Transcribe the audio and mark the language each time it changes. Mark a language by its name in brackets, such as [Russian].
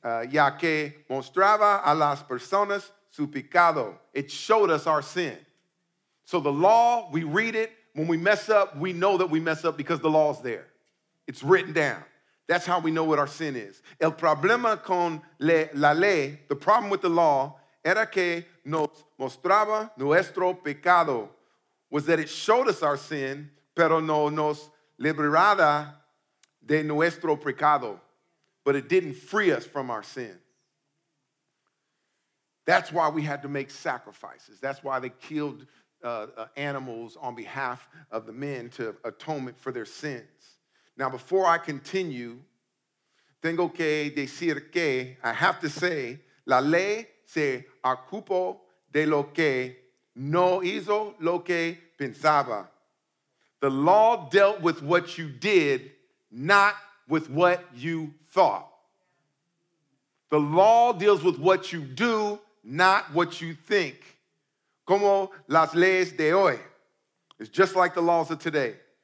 [Spanish] Ya que mostraba a las personas su pecado. [English] It showed us our sin. So the law, we read it. When we mess up, we know that we mess up because the law is there. It's written down. That's how we know what our sin is. [Spanish] El problema con la ley, the problem with the law, era que nos mostraba nuestro pecado, was that it showed us our sin, pero no nos liberaba de nuestro pecado. [English] But it didn't free us from our sin. That's why we had to make sacrifices. That's why they killed animals on behalf of the men to atonement for their sins. [Spanish] Now, before I continue, tengo que decir que, I have to say, la ley se ocupó de lo que no hizo lo que pensaba. [English] The law dealt with what you did, not with what you thought. The law deals with what you do, not what you think. Como las leyes de hoy. It's just like the laws of today.